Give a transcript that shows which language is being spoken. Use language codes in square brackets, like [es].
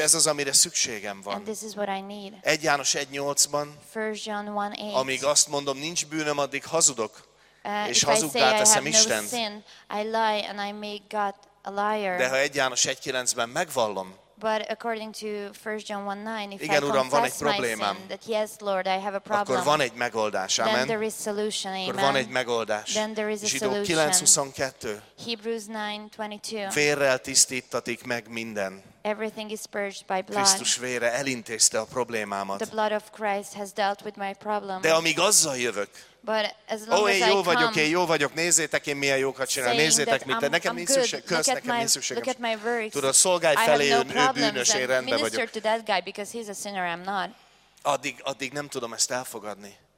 [hu] És ez az, amire szükségem van. [en] And this is what I need. [hu] 1 János 1:8-ban. [en] 1 John 1:8. [hu] Amíg azt mondom, nincs bűnöm, addig hazudok, és hazuggá teszem Istent. [en] If I say I have no sin, I lie and I make God a liar. [hu] De ha 1 János 1:9-ben megvallom. [en] But according to 1 John 1:9, if [hu] igen, [en] I [hu] uram, [en] confess my sin, that yes, Lord, I have a problem, [hu] akkor van egy megoldás, amen. [en] Then there is solution, amen. [hu] Akkor van egy megoldás. [en] Then there is a [hu] Zsidó [en] solution. 9:22. Hebrews 9:22. [hu] Vérrel tisztítatik meg minden. [en] Everything is purged by blood. [hu] Krisztus vére elintézte a problémámat. [en] The blood of Christ has dealt with my problem. [hu] De amíg azzal jövök. [en] But as long as I [hu] come, vagyok, én jó vagyok, nézzétek, én milyen jókat csinálok, nézzétek, mint te, nekem nincs szükség, kösz, nekem nincs szükség. [en] Look at my works. [hu] Tudod, szolgálj felé, ő bűnös, én rendben vagyok. [en] Minister to that guy because he's a sinner, I'm not. [hu] Addig nem tudom ezt elfogadni.